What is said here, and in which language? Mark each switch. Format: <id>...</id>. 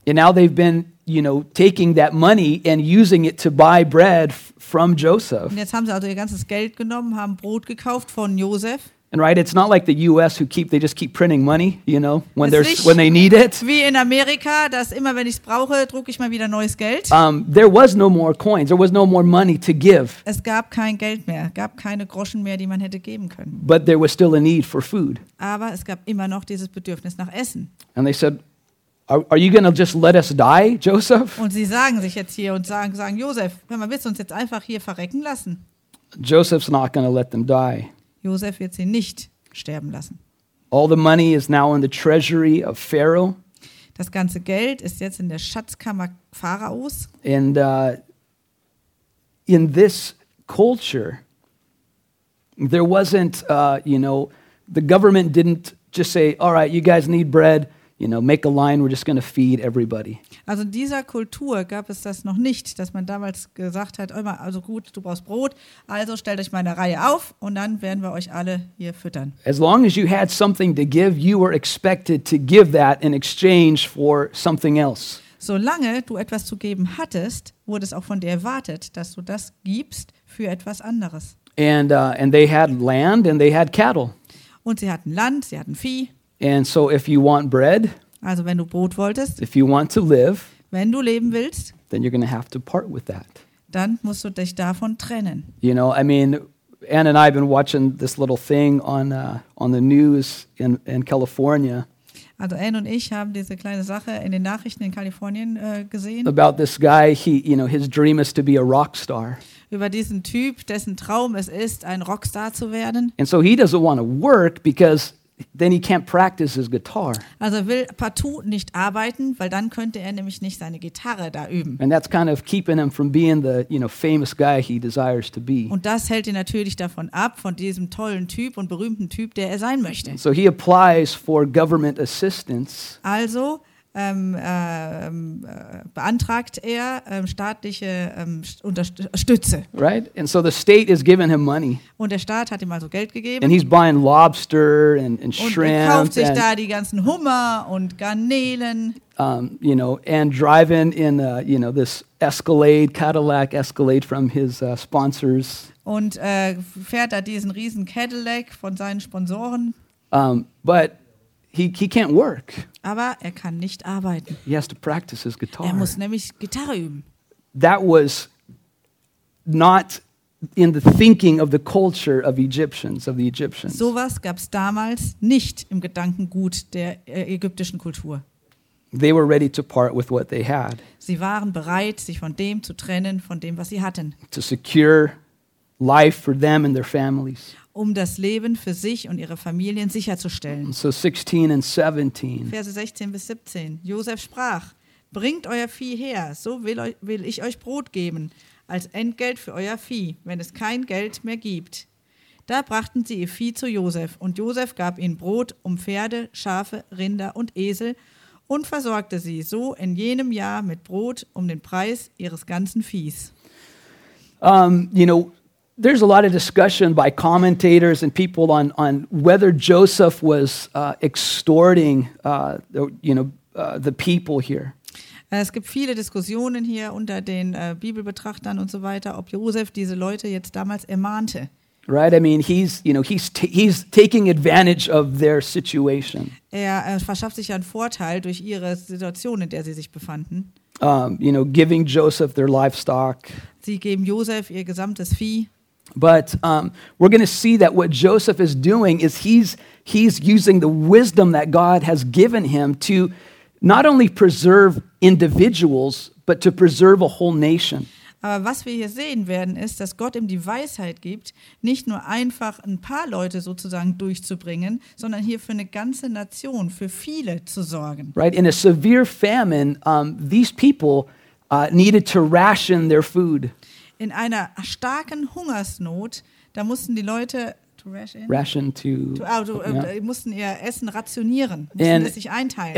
<en>And now they've been, you know, taking that money and using it to buy bread from Joseph.</en> <de>Und jetzt haben sie also ihr ganzes Geld genommen, haben Brot gekauft von Joseph.</de> <en>And right, it's not like the U.S. who just keep printing money, you know, when they need it.</en> <de>Wie in Amerika, dass immer wenn ich es brauche, drucke ich mal wieder neues Geld.</de> <en>There was no more coins. There was no more money to give.</en> <de>Es gab kein Geld mehr. Gab keine Groschen mehr, die man hätte geben können.</de> <en>But there was still a need for food.</en> <de>Aber es gab immer noch dieses Bedürfnis nach Essen.</de> <en>And they said, "Are you going to just let us die, Joseph?"</en> <de>Und sie sagen sich jetzt hier und sagen Josef, hör mal, willst du uns jetzt einfach hier verrecken lassen?</de> <en>Joseph's not going to let them die.</en> <de>Joseph wird sie nicht sterben lassen.</de> <en>All the money is now in the treasury of Pharaoh.</en> <de>Das ganze Geld ist jetzt in der Schatzkammer Pharaos.</de> <en>And in this culture, there wasn't, the government didn't just say, "All right, you guys need bread. You know, make a line. We're just going to feed everybody."</en> <de>Also in dieser Kultur gab es das noch nicht, dass man damals gesagt hat, also gut, du brauchst Brot, also stellt euch mal eine Reihe auf und dann werden wir euch alle hier füttern.</de> <en>As long as you had something to give, you were expected to give that in exchange for something else.</en> <de>Solange du etwas zu geben hattest, wurde es auch von dir erwartet, dass du das gibst für etwas anderes.</de> <en>And they had land and they had cattle.</en> <de>Und sie hatten Land, sie hatten Vieh.</de> <en>And so if you want bread,</en> <de>also wenn du Brot wolltest,</de> <en>if you want to live,</en> <de>wenn du leben willst,</de> <en>then you're going to have to part with that.</en> <de>Dann musst du dich davon trennen.</de> <en>You know, I mean, Anne and I have been watching this little thing on the news in California.</en> <de>Also Anne und ich haben diese kleine Sache in den Nachrichten in Kalifornien gesehen.</de> <en>About this guy, his dream is to be a rock star.</en> <de>Über diesen Typ, dessen Traum es ist, ein Rockstar zu werden.</de> <en>And so he doesn't want to work because then he can't practice his guitar.</en> <de>Also will partout nicht arbeiten, weil dann könnte er nämlich nicht seine Gitarre da üben.</de> <en>And that's kind of keeping him from being the, you know, famous guy he desires to be.</en> <de>Und das hält ihn natürlich davon ab, von diesem tollen Typ und berühmten Typ, der er sein möchte.</de> <en>So he applies for government assistance.</en> <de>Also beantragt er staatliche Unterstütze.</de> <en>Right? And so the state is giving him money.</en> <de>Und der Staat hat ihm also Geld gegeben.</de> <en>And he's buying lobster and shrimp.</en> <de>Und er kauft sich da die ganzen Hummer und Garnelen.</de> <en>And driving in this Escalade, Cadillac Escalade from his sponsors.</en> <de>Und fährt da diesen riesen Cadillac von seinen Sponsoren.</de> <en>But he can't work.</en> <de>Aber er kann nicht arbeiten.</de> <en>He has to practice his guitar.</en> <de>Er muss nämlich Gitarre üben.</de> <en>That was not in the thinking of the culture of Egyptians, of the Egyptians.</en> <de>Sowas gab's damals nicht im Gedankengut der ägyptischen Kultur.</de> <en>They were ready to part with what they had.</en> <de>Sie waren bereit, sich von dem zu trennen, von dem, was sie hatten.</de> <en>To secure life for them and their families.</en> <de>Um das Leben für sich und ihre Familien sicherzustellen.</de> <en>So 16 and 17.</en> <de>Verse 16 bis 17. Josef sprach: Bringt euer Vieh her, so will ich euch Brot geben, als Entgelt für euer Vieh, wenn es kein Geld mehr gibt. Da brachten sie ihr Vieh zu Josef, und Josef gab ihnen Brot um Pferde, Schafe, Rinder und Esel und versorgte sie so in jenem Jahr mit Brot um den Preis ihres ganzen Viehs.</de> <en>You know, there's a lot of discussion by commentators and people on whether Joseph was extorting the people here.</en> <de>Es gibt viele Diskussionen hier unter den Bibelbetrachtern und so weiter, ob Josef diese Leute jetzt damals ermahnte.</de> <en>Right, I mean, he's taking advantage of their situation.</en> <de>Er verschafft sich ja einen Vorteil durch ihre Situation, in der sie sich befanden.</de> <en>Giving Joseph their livestock.</en> <de>Sie geben Josef ihr gesamtes Vieh.</de> <en>But we're going to see that what Joseph is doing is he's using the wisdom that God has given him to not only preserve individuals, but to preserve a whole nation.</en> <de>Aber was wir hier sehen werden, ist, dass Gott ihm die Weisheit gibt, nicht nur einfach ein paar Leute sozusagen durchzubringen, sondern hier für eine ganze Nation, für viele zu sorgen.</de> <en>Right, in a severe famine, these people needed to ration their food.</en> <de>In einer starken Hungersnot, da mussten die Leute mussten ihr Essen rationieren, mussten es sich einteilen.</de>